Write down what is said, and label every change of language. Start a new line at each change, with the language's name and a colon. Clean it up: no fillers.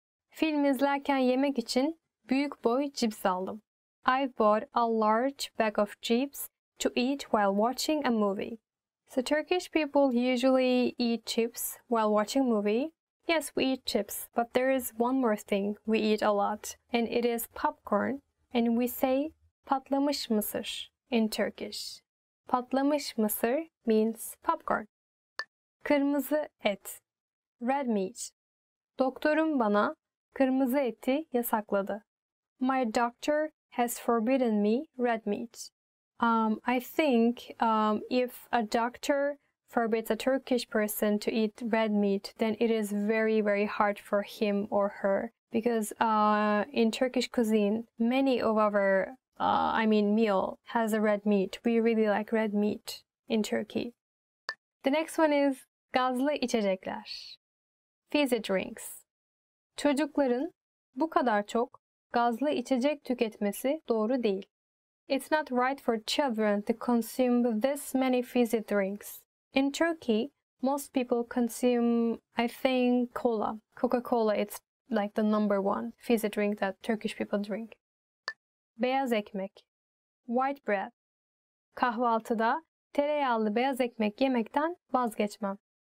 Turkish: Film izlerken yemek için büyük boy cips aldım.
English: I bought a large bag of chips to eat while watching a movie. So Turkish people usually eat chips while watching a movie. Yes, we eat chips, but there is one more thing we eat a lot, and it is popcorn, and we say
Turkish: patlamış mısır
English: in Turkish.
Turkish: Patlamış mısır
English: means popcorn.
Turkish: Kırmızı et.
English: Red meat.
Turkish: Doktorum bana kırmızı eti yasakladı.
English: My doctor has forbidden me red meat. I think if a doctor forbids a Turkish person to eat red meat, then it is very, very hard for him or her. Because in Turkish cuisine, many of our, meal has a red meat. We really like red meat in Turkey. The next one is
Turkish: gazlı içecekler.
English: Fizzy drinks.
Turkish: Çocukların bu kadar çok gazlı içecek tüketmesi doğru değil.
English: It's not right for children to consume this many fizzy drinks. In Turkey, most people consume, I think, cola. Coca-Cola, it's like the number one fizzy drink that Turkish people drink.
Turkish: Beyaz ekmek.
English: White bread.
Turkish: Kahvaltıda tereyağlı beyaz ekmek yemekten vazgeçmem.